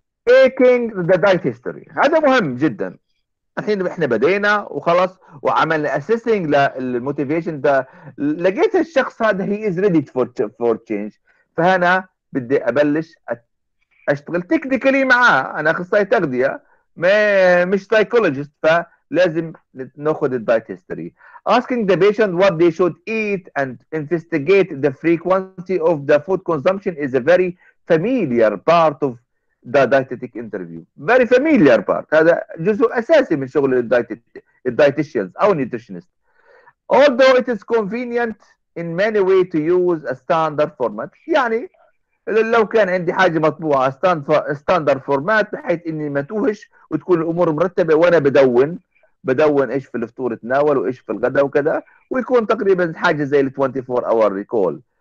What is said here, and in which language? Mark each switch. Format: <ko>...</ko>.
<ar>making the diet history هذا مهم جدا، الحين احنا بدينا وخلص وعملنا assessing للموتيفيشن ده لقيت الشخص هذا</ar> <en>he is ready for change،</en> <ar>فهنا بدي ابلش اشتغل تكنيكلي معاه، انا اخصائي تغذية مش psychologist فلازم ناخذ الدايت هيستوري.</ar> <en>asking the patient what they should eat and investigate the frequency of the food consumption is a very familiar part of the dietetic interview. Very familiar part.</en> <ar>هذا جزء أساسي من شغل الدايتيشنز أو النيوتريشنست.</ar> <en>Although it is convenient in many ways to use a standard format.</en> <ar>يعني لو كان عندي حاجة مطبوعة standard format بحيث إني ما توهش وتكون الأمور مرتبة وأنا بدون إيش في الفطور تناول وإيش في الغداء وكذا، ويكون تقريبا حاجة زي الـ 24-hour recall.</ar>